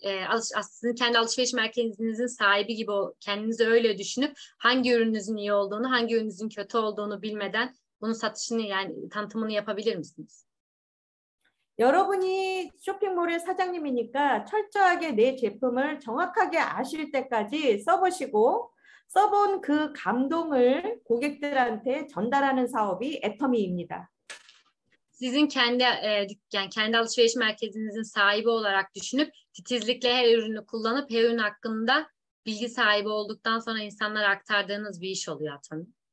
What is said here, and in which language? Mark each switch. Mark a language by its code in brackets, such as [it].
[ko] 아스 그냥 알아서 마켓인지는 사이비 기 [tr] kendinizi öyle düşünüp hangi ürününüzün iyi olduğunu, hangi ürününüzün kötü olduğunu bilmeden bunun satışını yani tanıtımını yapabilir misiniz? [ko] 여러분이 쇼핑몰의 사장님이니까 철저하게 내 제품을 정확하게 아실 때까지 써보시고, 써본 그 감동을 고객들한테 전달하는 사업이 애터미입니다. [tr] Sizin kendi dükkan, kendi alışveriş merkezinizin sahibi olarak düşünüp titizlikle her ürünü kullanıp her ürün hakkında bilgi sahibi olduktan sonra insanlara aktardığınız bir iş oluyor tabii.